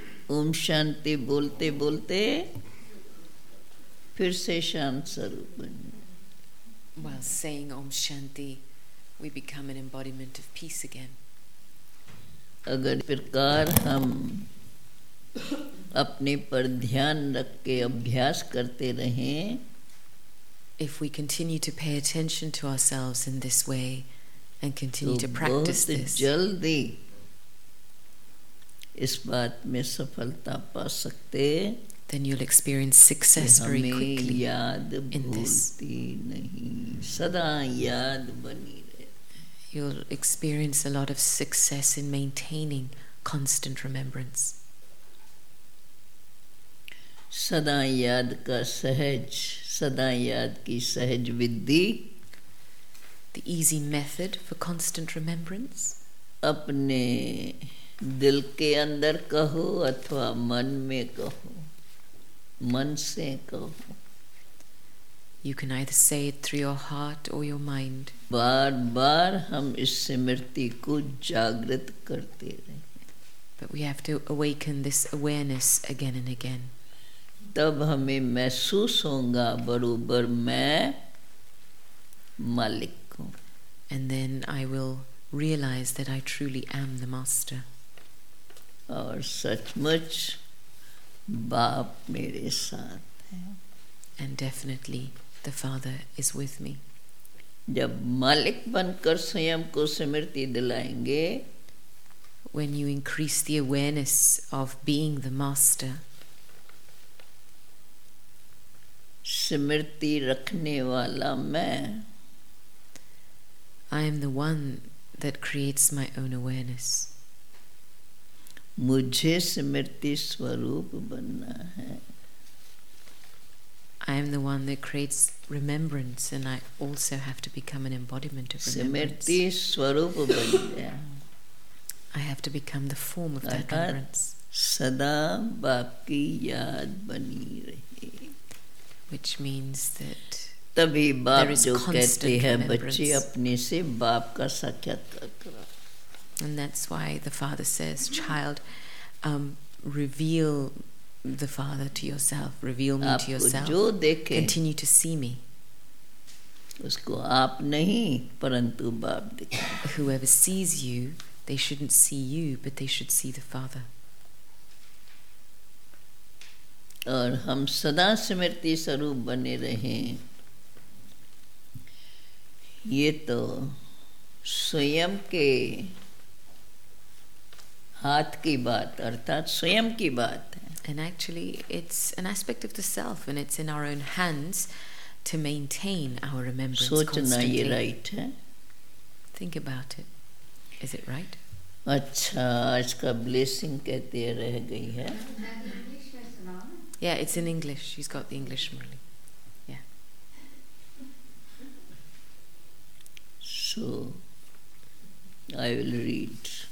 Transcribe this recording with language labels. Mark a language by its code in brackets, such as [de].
[hi] ओम शांति बोलते बोलते फिर से शांत स्वरूप बन गया। [en] While saying Om Shanti, we become an embodiment of peace again. [hi] अगर प्रकार हम अपने पर ध्यान रख के अभ्यास करते रहें, [en] if we continue to pay attention to ourselves in this way and continue to practice this, [hi] तो बहुत जल्दी इस बात में सफलता पा सकते, [en] then you'll experience success very quickly. [hi] हमें याद भूलती नहीं, सदा याद बनी रहे। [en] You'll experience a lot of success in maintaining constant remembrance. [hi] सदा याद का सहज, सदा याद की सहज विधि, [en] the easy method for constant remembrance, [hi] अपने दिल के अंदर कहो अथवा मन में कहो, मन से कहो, [en] you can either say it through your heart or your mind. [hi] बार बार हम इस स्मृति को जागृत करते रहे, [en] but we have to awaken this awareness again and again. [hi] तब हमें महसूस होगा बरोबर मैं मालिक हूँ। [en] And then I will realize that I truly am the master. [hi] और सचमुच बाप मेरे साथ है। [en] And definitely the father is with me. [hi] जब मालिक बनकर स्वयं को स्मृति दिलाएंगे, [en] when you increase the awareness of being the master, [hi] स्मृति रखने वाला मैं, [en] I am the one that creates my own awareness. [hi] मुझे स्मृति स्वरूप बनना है। [en] I am the one that creates remembrance, and I also have to become an embodiment of remembrance. [hi] स्मृति स्वरूप बन गया। [en] I have to become the form of that remembrance. [hi] सदा बाप की याद बनी रही। [en] Which means that [hi] तभी बाप जो कहते हैं बच्चे अपने से बाप का साक्षात्कार करो। [en] And that's why the father says, child, reveal the father to yourself, reveal me to yourself. [hi] आपको जो देखे, [en] continue to see me. [hi] उसको आप नहीं परंतु बाप दिखाएं. [en] Whoever sees you, they shouldn't see you, but they should see the Father. [hi] और हम सदा स्मृति स्वरूप बने रहें, ये तो स्वयं के हाथ की बात, अर्थात स्वयं की बात है. [en] And actually, it's an aspect of the self, and it's in our own hands to maintain our remembrance constantly. [hi] सोचना ये राइट है? [en] Think about it. Is it right? [hi] अच्छा, आज का ब्लेसिंग कहते रह गई है. [en] Yeah, it's in English. She's got the English, Murali. Yeah. So, I will read.